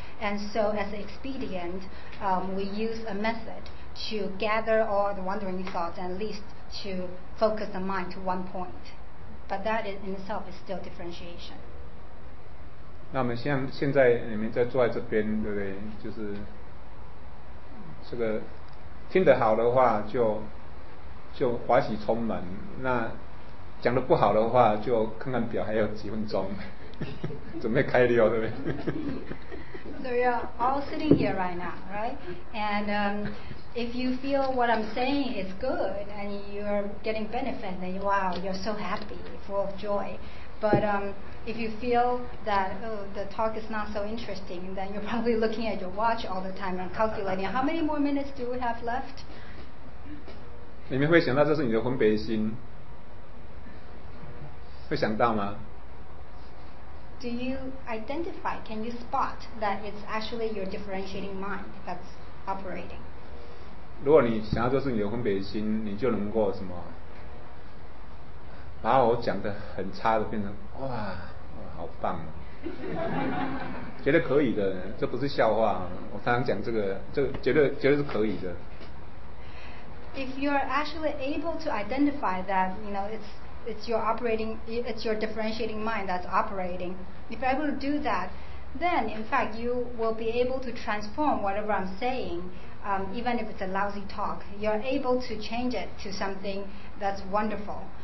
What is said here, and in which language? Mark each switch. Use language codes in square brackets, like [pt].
[en] And so as an expedient, we use a method to gather all the wandering thoughts and at least to focus the mind to one point. But that in itself is still differentiation. [zh] 那我们现在你们在坐在这边，对不对？就是这个听得好的话就欢喜充满，那讲得不好的话就看看表还有几分钟准备开溜，对不对？ [en] So you're all sitting here right now, right? And if you feel what I'm saying is good and you're getting benefit, then wow, you're so happy, full of joy. But if you feel that the talk is not so interesting, then you're probably looking at your watch all the time and calculating how many more minutes do we have left? [zh] 你们会想到这是你的分别心，会想到吗？ [en] Do you identify? Can you spot that it's actually your differentiating mind that's operating? [zh] 如果你想要就是你的分别心，你就能够什么，把我讲得很差的变成哇好棒、啊，绝对可以的，这不是笑话。我常常讲这个，这个、绝对是可以的。 [en] If you are actually able to identify that, you know it's your differentiating mind that's operating. If you're able to do that, then in fact you will be able to transform whatever I'm saying, even if it's a lousy talk. You're able to change it to something that's wonderful.